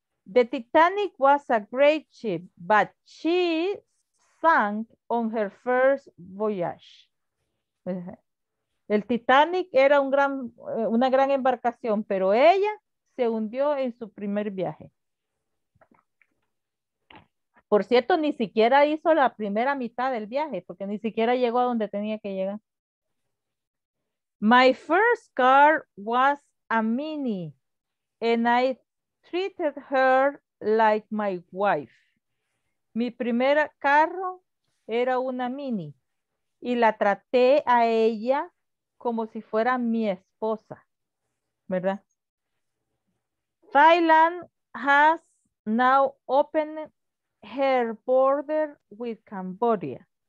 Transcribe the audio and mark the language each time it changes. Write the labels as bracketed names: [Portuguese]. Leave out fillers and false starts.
[English] The Titanic was a great ship, but she sank on her first voyage. [Spanish] El Titanic era una gran embarcación, pero ella se hundió en su primer viaje. Por cierto, ni siquiera hizo la primera mitad del viaje, porque ni siquiera llegó a donde tenía que llegar. [English] My first car was a Mini, and I treated her like my wife. [Spanish] Mi primer carro era una Mini, y la traté a ella como si fuera mi esposa, ¿verdad? [English] Thailand has now opened her border with Cambodia.